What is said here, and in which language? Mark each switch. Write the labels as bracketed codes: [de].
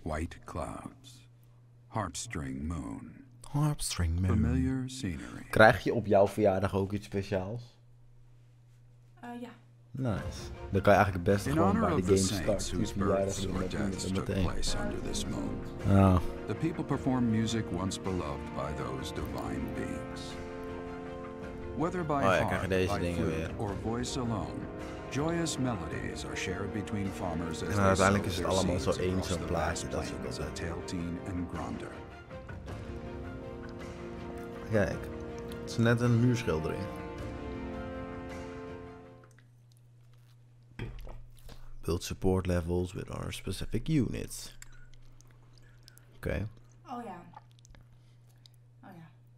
[en] White clouds. Harpstring moon. Harpstring moon. Familiar scenery. [nl] Krijg je op jouw verjaardag ook iets speciaals? Ja. [en] Nice. [nl] Dan kan je eigenlijk het beste gewoon bij de game starten. [en] The people perform music once beloved by those divine beings. Whether by heart, by flute, or voice alone, joyous melodies are shared between farmers as they sow their seeds across the vast plains of Tailteen and Gronder. [nl] Kijk, het is net een muurschildering. [en] Build support levels with our specific units. Oké. Okay. [nl] Oh ja. Oh ja.